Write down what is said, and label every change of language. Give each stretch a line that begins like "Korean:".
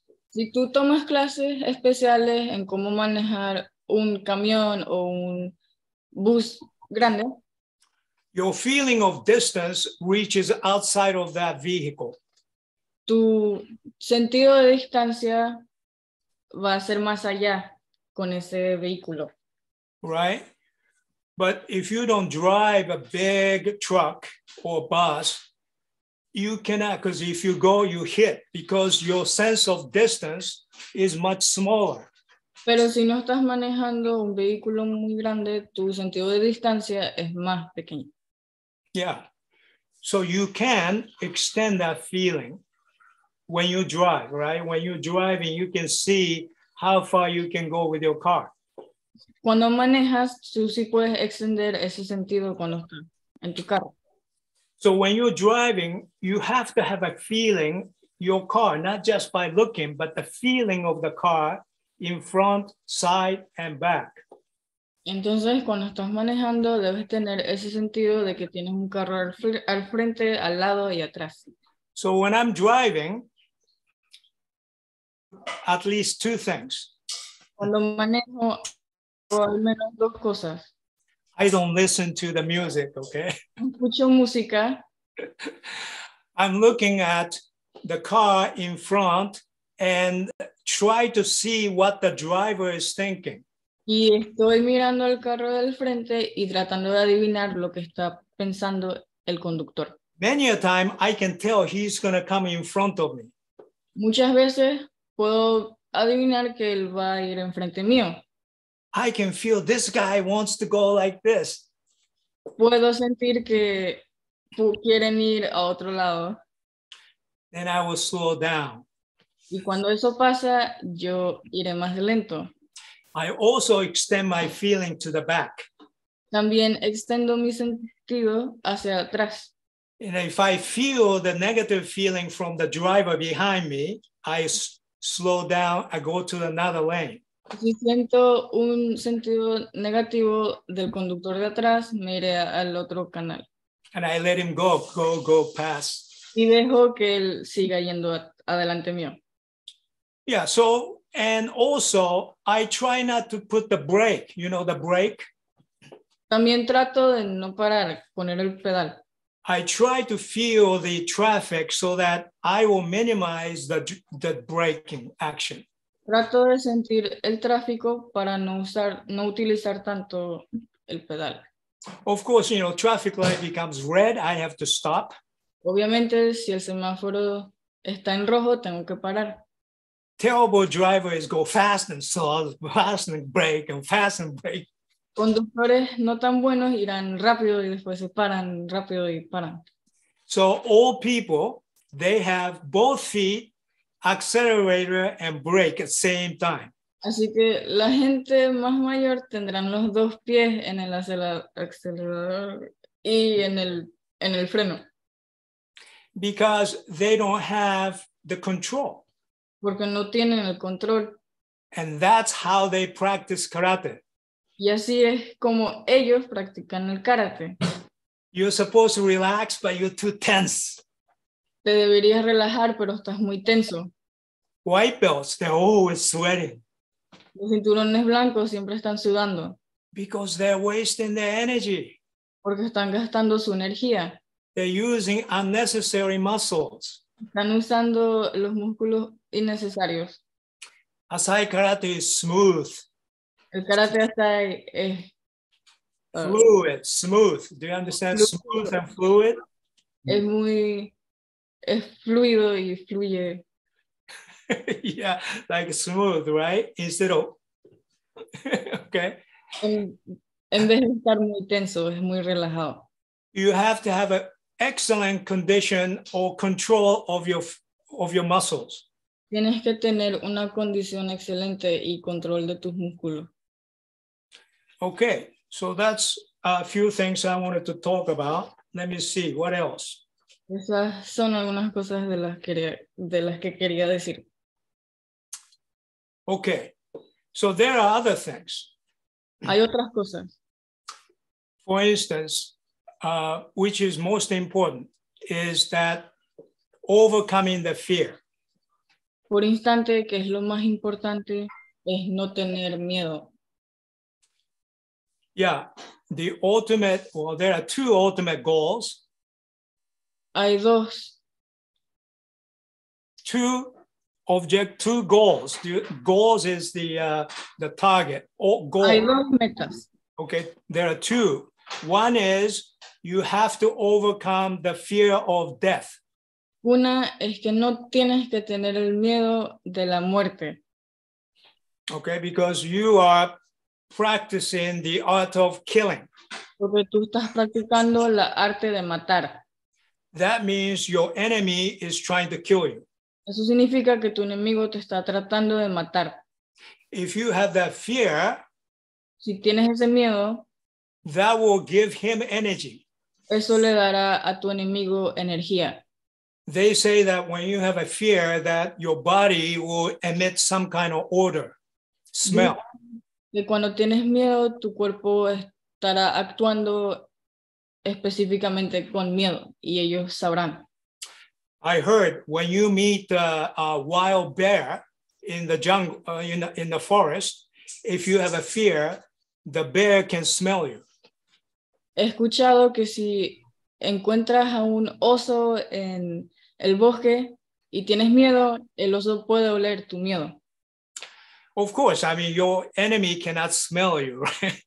Spanish: Si tú tomas clases especiales en cómo manejar un camión o un bus grande,
English: your feeling of distance reaches outside of that vehicle.
Spanish: Tu sentido de distancia va a ser más allá con ese vehículo.
English: Right? But if you don't drive a big truck or bus, you cannot, because if you go, you hit, because your sense of distance is much smaller.
Spanish: Pero si no estás manejando un vehículo muy grande, tu sentido de distancia es más pequeño.
English: Yeah, so you can extend that feeling when you drive, right? When you're driving, you can see how far you can go with your car.
Spanish: Cuando manejas, tú sí puedes extender ese sentido cuando estás en tu carro.
English: So when you're driving, you have to have a feeling, your car, not just by looking, but the feeling of the car in front, side, and back.
Spanish: Entonces, cuando estás manejando, debes tener ese sentido de que tienes un carro al frente, al lado y atrás.
English: So when I'm driving, at least two things.
Spanish: Cuando manejo, al menos dos cosas.
English: I don't listen to the music, okay?
Spanish: Escucho música.
English: I'm looking at the car in front and try to see what the driver is thinking.
Spanish: Y estoy mirando el carro del frente y tratando de adivinar lo que está pensando el conductor.
English: Many a time I can tell he's going to come in front of me.
Spanish: Muchas veces puedo adivinar que él va a ir enfrente mío.
English: I can feel this guy wants to go like this.
Spanish: Puedo sentir que quieren ir a otro lado.
English: Then I will slow down.
Spanish: Y cuando eso pasa, yo iré más lento.
English: I also extend my feeling to the back.
Spanish: También extiendo mi sentido hacia atrás.
English: And if I feel the negative feeling from the driver behind me, I slow down, I go to another lane.
Spanish: Si siento un sentido negativo del conductor de atrás, me iré al otro canal.
English: And I let him go past.
Spanish: Y dejo que él siga yendo adelante mío.
English: Yeah, so, and also, I try not to put the brake, you know, the brake.
Spanish: También trato de no parar, poner el pedal.
English: I try to feel the traffic so that I will minimize the braking action.
Spanish: Trato de sentir el tráfico para no utilizar tanto el pedal.
English: Of course, you know, traffic light becomes red, I have to stop.
Spanish: Obviamente, si el semáforo está en rojo, tengo que parar.
English: Terrible drivers go fast and slow, fast and brake and fast and brake.
Spanish: Conductores no tan buenos irán rápido y después se paran, rápido y paran.
English: So all people, they have both feet, accelerator and brake at the same time.
Spanish: Así que la gente más mayor tendrán los dos pies en el acelerador y en el freno.
English: Because they don't have the control.
Spanish: Porque no tienen el control.
English: And that's how they practice karate.
Spanish: Y así es como ellos practican el karate.
English: You're supposed to relax, but you're too tense.
Spanish: Te deberías relajar, pero estás muy tenso.
English: White belts, they're always sweating.
Spanish: Los cinturones blancos siempre están sudando.
English: Because they're wasting their energy.
Spanish: Porque están gastando su energía.
English: They're using unnecessary muscles.
Spanish: Están usando los músculos innecesarios.
English: Asai karate is smooth.
Spanish: El karate asai es
English: fluid, smooth. Do you understand fluido. Smooth and fluid?
Spanish: Es muy es fluido y fluye.
English: Yeah, like smooth, right? Instead of okay.
Spanish: En vez de estar muy tenso, es muy relajado.
English: You have to have an excellent condition or control of your muscles.
Spanish: Tienes que tener una condición excelente y control de tus músculos.
English: Okay, so that's a few things I wanted to talk about. Let me see, what else?
Spanish: Esas son algunas cosas de las que quería decir.
English: Okay, so there are other things.
Spanish: Hay otras cosas.
English: For instance, which is most important, is that overcoming the fear.
Spanish: Por instante, que es lo más importante, es no tener miedo.
English: Yeah, the ultimate, well, there are two ultimate goals.
Spanish: Hay dos.
English: Two goals. The goals is the target. Goal.
Spanish: Hay dos metas.
English: Okay, there are two. One is you have to overcome the fear of death.
Spanish: Una es que no tienes que tener el miedo de la muerte.
English: Okay, because you are practicing the art of killing.
Spanish: Porque tú estás practicando la arte de matar.
English: That means your enemy is trying to kill you.
Spanish: Eso significa que tu enemigo te está tratando de matar.
English: If you have that fear,
Spanish: si tienes ese miedo,
English: that will give him energy.
Spanish: Eso le dará a tu enemigo energía.
English: They say that when you have a fear that your body will emit some kind of odor, smell.
Spanish: Que cuando tienes miedo, tu cuerpo estará actuando específicamente con miedo y ellos sabrán.
English: I heard when you meet a wild bear, in the jungle, in the forest, if you have a fear, the bear can smell you.
Spanish: He escuchado que si encuentras a un oso en el bosque y tienes miedo, el oso puede oler tu miedo.
English: Of course, I mean, your enemy cannot smell you, right?